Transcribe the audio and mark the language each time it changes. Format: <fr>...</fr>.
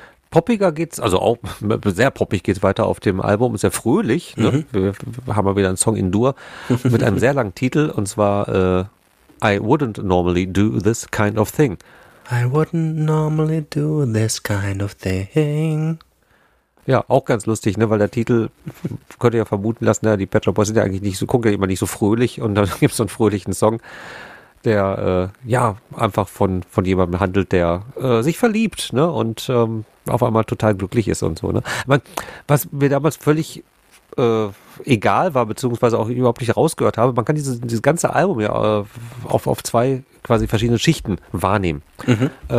<de>Poppiger geht's, also auch sehr poppig geht's weiter auf dem Album, sehr fröhlich. Ne? Mhm. Wir haben mal wieder einen Song in Dur mit einem sehr langen Titel und zwar</de> <en>I wouldn't normally do this kind of thing. I wouldn't normally do this kind of thing.</en> <de>Ja, auch ganz lustig, ne? Weil der Titel könnte ja vermuten lassen, ne? Die Pet Shop Boys sind ja eigentlich nicht so, gucken ja immer nicht so fröhlich und dann gibt es so einen fröhlichen Song, der einfach von jemandem handelt, der sich verliebt, ne? Und auf einmal total glücklich ist und so. Ne? Was mir damals völlig egal war, beziehungsweise auch überhaupt nicht rausgehört habe, man kann dieses ganze Album ja auf zwei quasi verschiedene Schichten wahrnehmen. Mhm.</de>